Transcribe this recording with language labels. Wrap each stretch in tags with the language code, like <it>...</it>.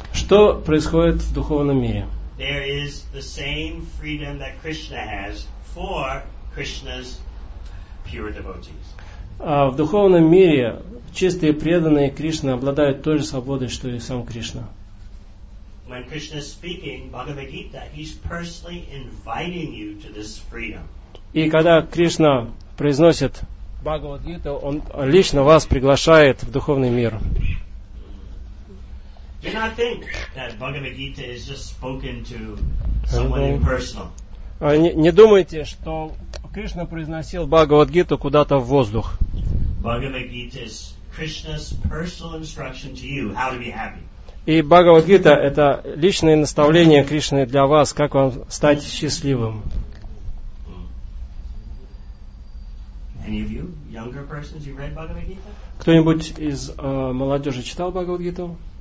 <ru>Что происходит в духовном мире?</ru> <en>There is the same freedom that Krishna has for Krishna's pure devotees.</en> <ru>В духовном мире чистые преданные Кришны обладают той же свободой, что и сам Кришна.</ru> <en>When Krishna is speaking Bhagavad Gita, he's personally inviting you to this freedom.</en> <ru>И когда Кришна произносит Бхагавад-гиту, он лично вас приглашает в духовный мир.</ru> <en>Do not think that Bhagavad Gita is just spoken to someone impersonal.</en> <ru>Не думайте, что Кришна произносил Бхагавад-гиту куда-то в воздух.</ru> <en>Bhagavad Gita is Krishna's personal instruction to you how to be happy.</en> <ru>И Бхагавад-гита — это личное наставление Кришны для вас, как вам стать счастливым.</ru> <en>Any of you, younger persons, you've read Bhagavad Gita?</en> <ru>Кто-нибудь из молодежи читал Бхагавад-гиту?</ru>